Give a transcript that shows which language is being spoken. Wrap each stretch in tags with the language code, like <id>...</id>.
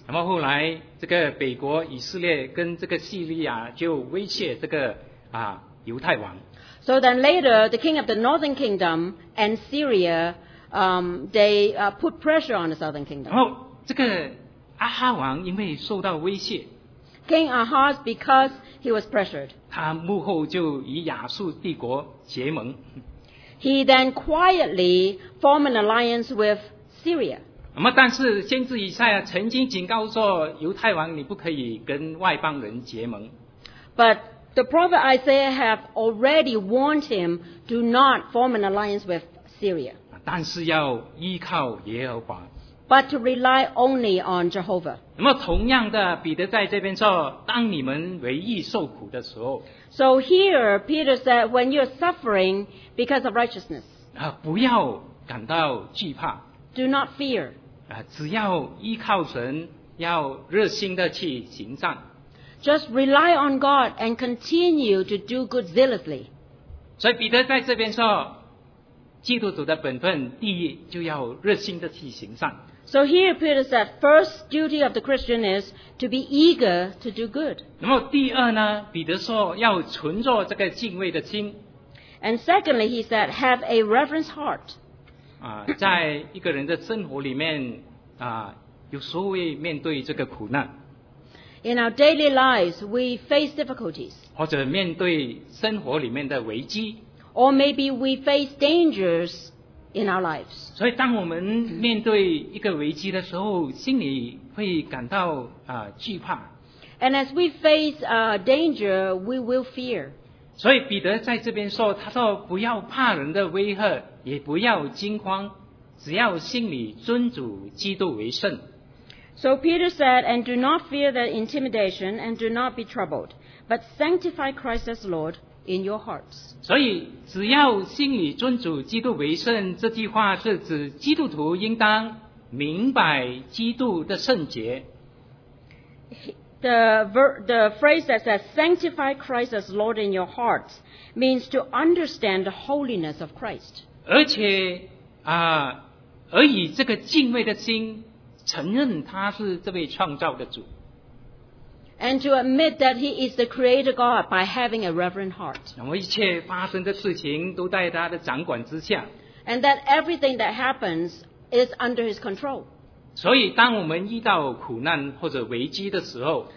<zh>那么后来这个北国以色列跟这个叙利亚就威胁这个犹太王。</zh> <en>So then later, the king of the northern kingdom and Syria, they put pressure on the southern kingdom.</en> <zh>然后这个阿哈王因为受到威胁。</zh> <en>King Ahaz, because he was pressured,</en> <zh>他幕后就与亚述帝国结盟。</zh> <en>He then quietly formed an alliance with Syria.</en> <zh>那么，但是先知以赛亚曾经警告说，犹太王你不可以跟外邦人结盟。</zh> <en>But the prophet Isaiah have already warned him, do not form an alliance with Syria.</en> <zh>但是要依靠耶和华。</zh> <en>But to rely only on Jehovah.</en> <zh>那么同样的，彼得在这边说，当你们为义受苦的时候。</zh> <en>So here Peter said, when you're suffering because of righteousness.</en> <zh>不要感到惧怕。</zh> <en>Do not fear.</en> <zh>只要依靠神，要热心的去行善。</zh> <en>Just rely on God and continue to do good zealously.</en> <zh>所以彼得在这边说，基督徒的本分第一就要热心的去行善。</zh> <en>So here Peter said, first duty of the Christian is to be eager to do good.</en> <zh>那么第二呢，彼得说要存着这个敬畏的心。</zh> <en>And secondly, he said, have a reverence heart.</en> <zh>在一个人的生活里面，有时候会面对这个苦难。</zh> <en>In our daily lives, we face difficulties.</en> <zh>或者面对生活里面的危机。</zh> <en>Or maybe we face dangers. In our lives.</en> <zh>所以当我们面对一个危机的时候，心里会感到惧怕。</zh> <en>And as we face danger, we will fear.</en> <zh>所以彼得在这边说，他说不要怕人的威吓，也不要惊慌，只要心里尊主基督为圣。</zh> <en>So Peter said, and do not fear the intimidation, and do not be troubled, but sanctify Christ as Lord. In your hearts.</en> <zh>所以只要心里尊主基督为圣，这句话是指基督徒应当明白基督的圣洁。</zh> <en>The phrase that says sanctify Christ as Lord in your hearts means to understand the holiness of Christ.</en> <zh>而且而以这个敬畏的心承认他是这位创造的主。</zh> <en>and to admit that He is the Creator God by having a reverent heart.</en> <zh>然后一切发生的事情都在他的掌管之下。</zh> <en>And that everything that happens is under His control.</en> <zh>所以当我们遇到苦难或者危机的时候</zh>